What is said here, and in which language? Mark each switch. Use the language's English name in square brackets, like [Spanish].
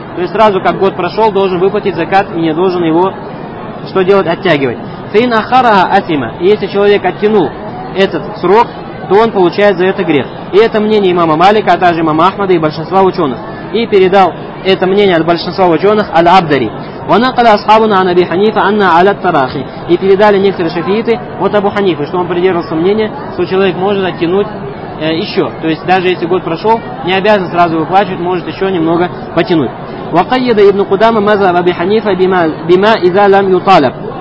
[Russian] То есть сразу, как год прошел, должен выплатить закат и не должен его, что делать, оттягивать. [Arabic] Фин ахараха асима. [Russian] И если человек оттянул этот срок, то он получает за это грех. И это мнение имама Малика, а также имама Ахмада и большинства ученых. И передал это мнение от большинства ученых Аль-Абдари. [Arabic] وَنَقَلَ أَصْحَابُنَا عَنْ أَبِي حَنِيفَ أَنَّ عَلَى التَّرَاخِي. [Russian] И передали некоторые шафииты от Абу Ханифы, что он придерживался мнения, что человек может оттянуть еще. То есть даже если год прошел, не обязан сразу выплачивать, может еще немного потянуть. [Arabic] وَقَيَّدَ إِبْنُ قُدَامَ مَذْهَبَ أَبِي حَنِيفَ بِمَا إِذَا لَمْ يُطَالَبْ.